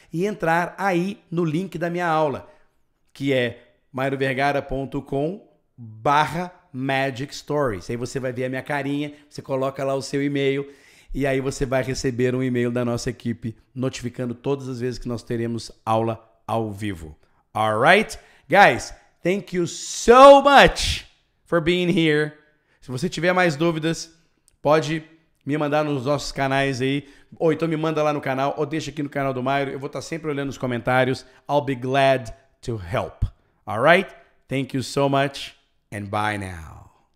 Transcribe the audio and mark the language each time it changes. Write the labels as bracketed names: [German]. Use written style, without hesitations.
[Portuguese] E entrar aí no link da minha aula, que é mairovergara.com/magicstories. Aí você vai ver a minha carinha, você coloca lá o seu e-mail. E aí você vai receber um e-mail da nossa equipe notificando todas as vezes que nós teremos aula ao vivo. [English] All right? Guys, thank you so much for being here. [Portuguese] Se você tiver mais dúvidas, pode me mandar nos nossos canais aí, ou então me manda lá no canal, ou deixa aqui no canal do Mairo. Eu vou estar sempre olhando os comentários. [English] I'll be glad to help. All right? Thank you so much, and bye now.